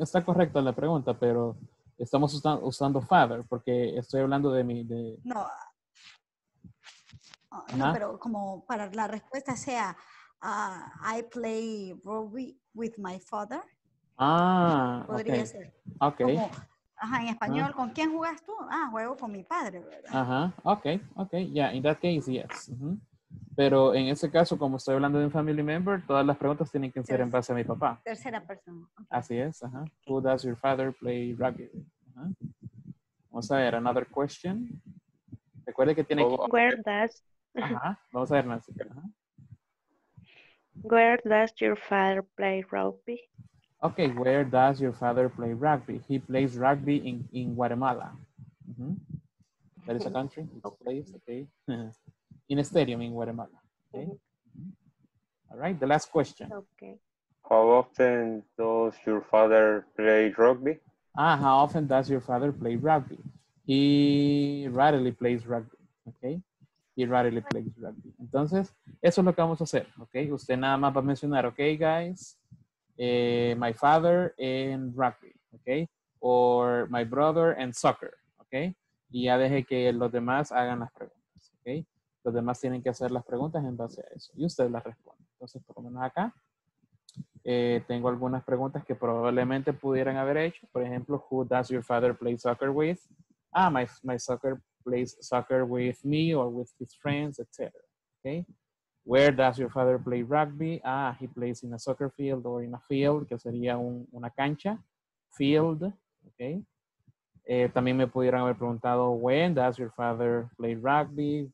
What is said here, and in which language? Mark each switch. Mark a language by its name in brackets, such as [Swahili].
[Spanish] Está correcta la pregunta, pero estamos usando father porque estoy hablando de mi... De... No. No, pero como para la respuesta sea, [English] I play rugby with my father. Ah, [Spanish] podría [English] okay. [Spanish] ser. [English] Okay. [Spanish] Como, ajá, en español, ¿con quién jugas tú? Ah, juego con mi padre, ¿verdad? Ajá, [English] okay, okay, yeah, in that case, yes. Mm-hmm. [Spanish] Pero en ese caso, como estoy hablando de un family member, todas las preguntas tienen que ser en base a mi papá. Tercera persona. [English] Okay. [Spanish] Así es, ajá. [English] Okay. Who does your father play rugby? Uh-huh. [Spanish] Vamos a ver, [English] another question. [Spanish] Recuerde que tiene que... [English] Where does... [Spanish] Ajá, vamos a ver, Nancy. Ajá. [English] Where does your father play rugby? Okay, where does your father play rugby? He plays rugby in Guatemala. Mm-hmm. That is a country, it's a place, okay. In a stadium in Guatemala, okay. Mm-hmm. All right, the last question. Okay. How often does your father play rugby? Ah, how often does your father play rugby? He rarely plays rugby, okay. He rarely plays rugby. [Spanish] Entonces, eso es lo que vamos a hacer, okay. Usted nada más va a mencionar, okay, guys. [English] My father and rugby, okay? Or my brother and soccer, okay? [Spanish] Y ya deje que los demás hagan las preguntas, okay? Los demás tienen que hacer las preguntas en base a eso. Y usted las responde. Entonces, por lo menos acá, tengo algunas preguntas que probablemente pudieran haber hecho. Por ejemplo, [English] who does your father play soccer with? Ah, my soccer plays soccer with me or with his friends, etc. Okay? Where does your father play rugby? Ah, he plays in a soccer field or in a field, [Spanish] que sería una cancha. [English] Field, okay. [Spanish] También me pudieran haber preguntado, [English] when does your father play rugby?